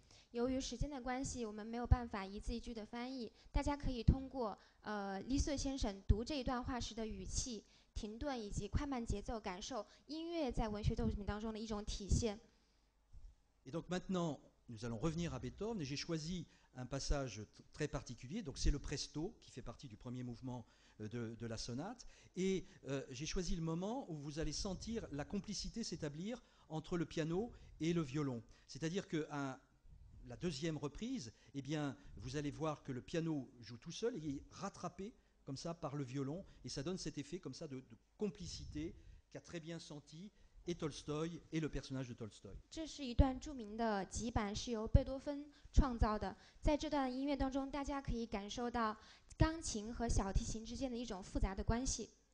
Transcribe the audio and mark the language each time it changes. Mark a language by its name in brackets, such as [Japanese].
[Chinese] 由于时间的关系，我们没有办法一字一句的翻译。大家可以通过李瑟先生读这一段话时的语气、停顿以及快慢节奏，感受音乐在文学作品当中的一种体现。 [French] Et donc maintenant, nous allons revenir à Beethoven. Et j'ai choisi un passage très particulier. Donc c'est le presto qui fait partie du premier mouvement de la sonate. Et j'ai choisi le moment où vous allez sentir la complicité s'établir entre le piano et le violon. C'est-à-dire que la deuxième reprise, eh bien, vous allez voir que le piano joue tout seul et est rattrapé comme ça par le violon, et ça donne cet effet comme ça de complicité qu'a très bien senti et Tolstoï et le personnage de Tolstoï. [Chinese] 这是一段著名的集板，是由贝多芬创造的。在这段音乐当中，大家可以感受到钢琴和小提琴之间的一种复杂的关系。